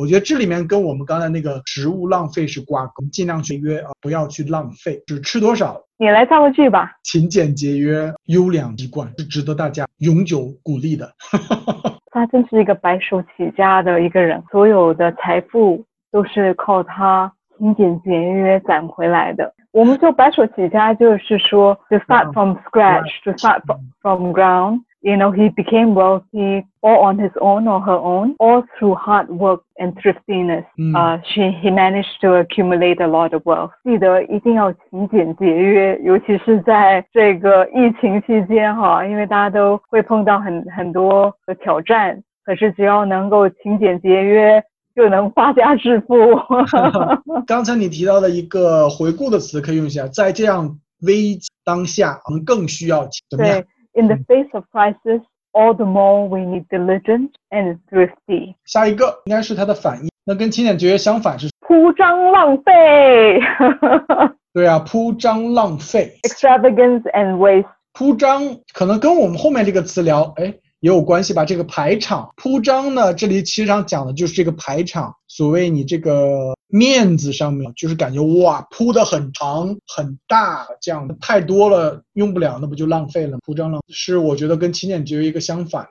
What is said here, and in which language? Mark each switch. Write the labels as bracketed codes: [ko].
[zh] 我觉得这里面跟我们刚才那个食物浪费是挂钩，尽量节约不要去浪费，只吃多少。你来造个句吧。勤俭节约优良习惯是值得大家永久鼓励的。他真是一个白手起家的一个人，所有的财富都是靠他勤俭节约攒回来的。 [en] 我们就白手起家，就是说 to start from scratch, to start from ground, you know, he became wealthy all on his own or her own, all through hard work and thriftiness. He managed to accumulate a lot of wealth. [zh] 记得一定要勤俭节约，尤其是在这个疫情期间哈，因为大家都会碰到很多的挑战，可是只要能够勤俭节约就能发家致富。刚才你提到的一个回顾的词可以用一下，在这样危机当下我们更需要怎么样。 [en] 对， In the face of crisis, all the more we need diligent and thrifty. [zh] 下一个应该是它的反义，那跟勤俭节约相反是铺张浪费。对啊，铺张浪费 [en] extravagance and waste。 [zh] 铺张可能跟我们后面这个词聊也有关系吧，这个排场铺张呢，这里其实上讲的就是这个排场，所谓你这个面子上面就是感觉哇铺的很长很大，这样太多了用不了那不就浪费了，铺张了是我觉得跟勤俭节约一个相反。